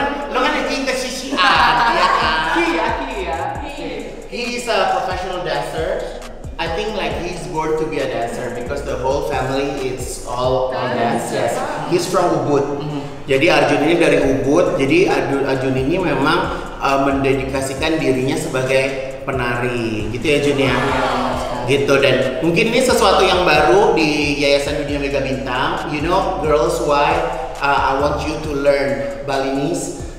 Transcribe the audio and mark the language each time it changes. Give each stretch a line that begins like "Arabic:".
Indonesian: lo kan yakin ke Shishi Ar, ya kan?
English: He is a professional dancer. I think like he's born to be a dancer because the whole family is all dancers. He's from Ubud. Mm-hmm.
Indonesian: Jadi Arjun ini dari Ubud, jadi Arjun ini memang mendedikasikan dirinya sebagai penari. Gitu ya Jun ya? Gitu, dan mungkin ini sesuatu yang baru di Yayasan Dunia Mega Bintang.
English: You know, girls, why I want you to learn Balinese?